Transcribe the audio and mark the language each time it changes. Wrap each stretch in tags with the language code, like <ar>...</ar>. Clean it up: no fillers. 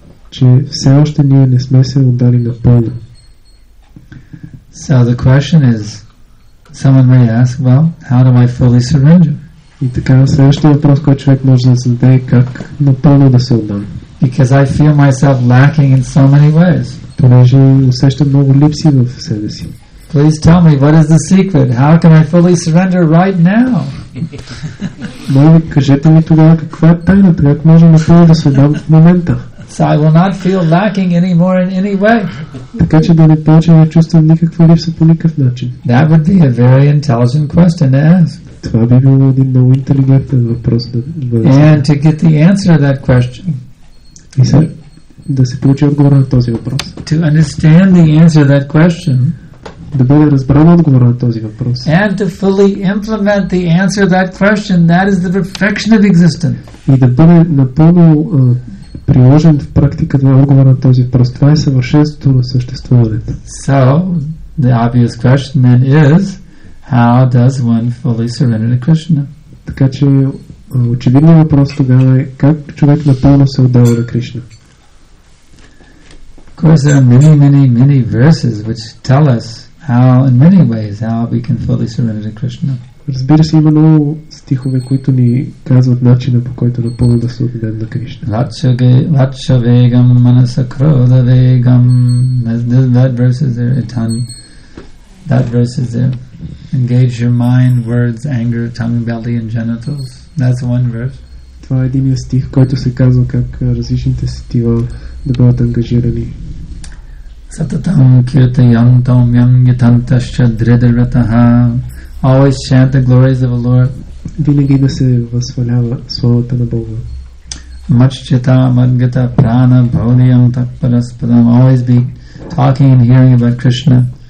<bg>Че все още ние не сме се отдали напълно.</bg> <en>So the question is, someone may ask, well, how do I fully surrender?</en> <bg>И така следващия въпрос, който човек може да зададе, как напълно да се отдам?</bg> <en>Because I feel myself lacking in so many ways.</en> <bg>Понеже усещам много липси в себе си.</bg> <en>Please tell me, what is the secret? How can I fully surrender right now?</en> <bg>Моля, кажете ми тогава, каква е тайната? Как можем напълно да се отдам в момента?</bg> <en>So I will not feel lacking anymore in any way.</en> <bg>Така че да не почвам да чувствам никаква липса по никакъв начин.</bg> <en>That would be a very intelligent question to ask.</en> <bg>Това би било един много интелигентен въпрос да бъде.</bg> <en>And to get the answer to that question.</en> <bg>И сега да се получи отговор на този въпрос.</bg> <en>To understand the answer to that question,</en> <bg>да бъде разбран отговора на този въпрос.</bg> <en>And to fully implement the answer to that question, that is the perfection of existence.</en> <bg>И да бъде напълно приложен в практика на отговора на този въпрос. Това е съвършенството на съществуването.</bg> <en>So, the obvious question then is, how does one fully surrender to Krishna?</en> <bg>Така че очевидният въпрос тогава е, как човек напълно се отдава на Кришна?</bg> <en>Of course, there are many, many, many verses which tell us how, in many ways, how we can fully surrender to Krishna.</en> <bg>Разбира се, има много стихове, които ни казват начина, по който напълно да се отдадем на Кришна.</bg> <sa>Лача вегам манаса крода вегам.</sa> <en>That verse is there, Itan. That verse is there. Engage your mind, words, anger, tongue, belly and genitals. That's one verse.</en> <bg>Това е един стих, който се казва как различните сетива да бъдат ангажирани.</bg> <sa>Сататам кирта янтам ян гитантаща дредаратаха.</sa> <en>Always chant the glories of the Lord.</en> <bg>Винаги да се възхвалява славата на Бога.</bg> <sa>Маччета мангата прана бхавниям такпараспадам.</sa> <en>Always be talking and hearing about Krishna.</en>